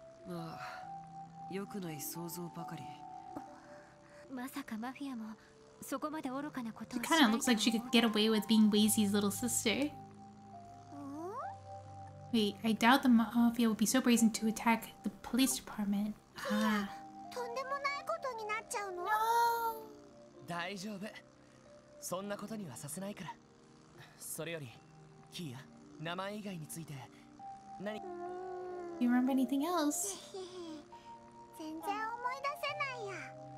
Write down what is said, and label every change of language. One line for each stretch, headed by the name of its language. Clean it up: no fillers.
Japanese: まあよくない想像ばかりまさかマフィアもそこまで愚かなこと
English: は She kind of looks like she could get away with being Wazy's little sister. Wait, I doubt the Mafia would be so brazen to attack the police department.
Japanese: とんでもないことになっちゃうの大丈夫。そんなことにはさせないから。それより、キア、名前以外について何
English: You remember anything else?
Japanese: 全然思い出せないや。